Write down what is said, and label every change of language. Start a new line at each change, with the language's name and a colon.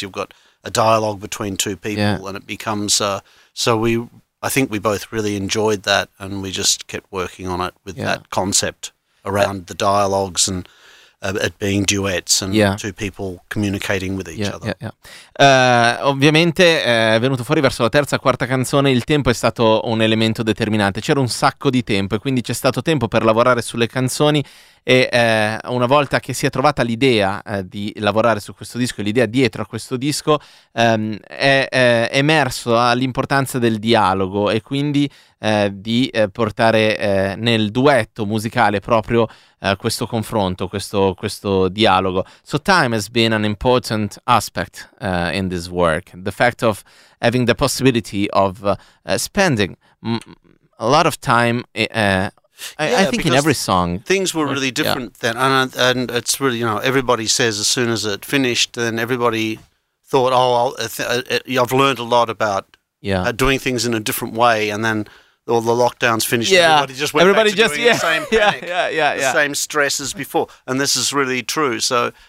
English: You've got a dialogue between two people, and it becomes I think we both really enjoyed that, and we just kept working on it with that concept around the dialogues and it being duets and two people communicating with each other. Yeah, yeah.
Italian: Ovviamente è venuto fuori verso la 3ª, 4ª canzone, il tempo è stato un elemento determinante, c'era un sacco di tempo e quindi c'è stato tempo per lavorare sulle canzoni, e una volta che si è trovata l'idea di lavorare su questo disco, l'idea dietro a questo disco, è emerso l'importanza del dialogo e quindi di portare nel duetto musicale proprio questo confronto, questo dialogo.
English: So time has been an important aspect in this work. The fact of having the possibility of spending a lot of time I think in every song. Things were really different then, and it's really, you know, everybody says as soon as it finished, then everybody thought, I've learned a lot about doing things in a different way, and then all the lockdowns finished, everybody just went back to doing the same panic, same stress as before, and this is really true, so...